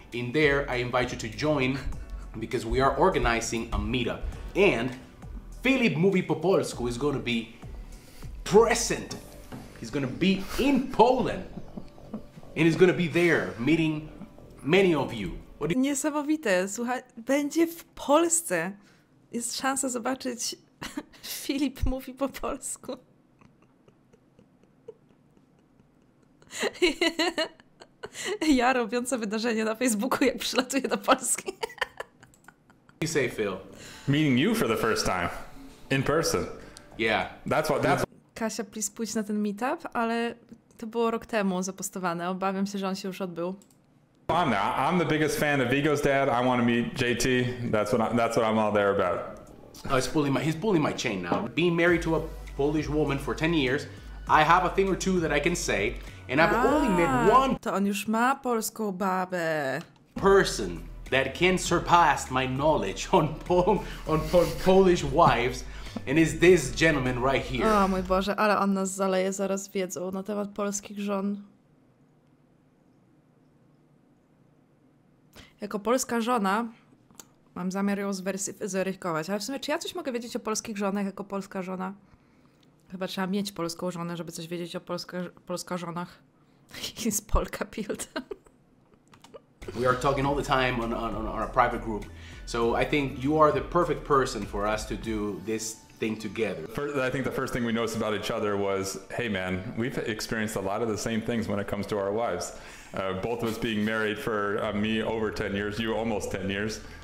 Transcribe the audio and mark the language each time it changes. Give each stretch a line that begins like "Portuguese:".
English: In there, I invite you to join because we are organizing a meetup. And Filip Mówi po Polsku is going to be present. He's going to be in Poland. And he's going to be there meeting many of you.
Polish: Niesamowite. Słuchaj, będzie w Polsce. Jest szansa zobaczyć Filip Mówi po Polsku. Ja robiące wydarzenie na Facebooku, jak przylatuję do Polski.
English: What do you say, Phil? Meeting you for the first time. In person. Yeah. That's what...
Polish: Kasia, please pójdź na ten meetup, ale to było rok temu zapostowane. Obawiam się, że on się już odbył.
English: I'm the biggest fan of Vigo's dad. I want to meet JT. That's what I'm all there about. He's pulling my chain now. Being married to a Polish woman for 10 years, I have a thing or two that I can say. And I've only met one
Polish: to on już ma polską babę.
English: Person that can surpass my knowledge on Polish wives, and is this gentleman right here.
Polish: O mój Boże, ale on nas zaleje zaraz wiedzą na temat polskich żon. Jako polska żona mam zamiar ją zweryfikować, ale w sumie czy ja coś mogę wiedzieć o polskich żonach jako polska żona? Chyba trzeba mieć polską żonę, żeby coś wiedzieć o polskich żonach.
English: He's Polka Pilton. We are talking all the time on our private group. So I think you are the perfect person for us to do this thing together. First, I think the first thing we noticed about each other was, hey man, we've experienced a lot of the same things when it comes to our wives. Both of us being married for me over 10 years, you almost 10 years.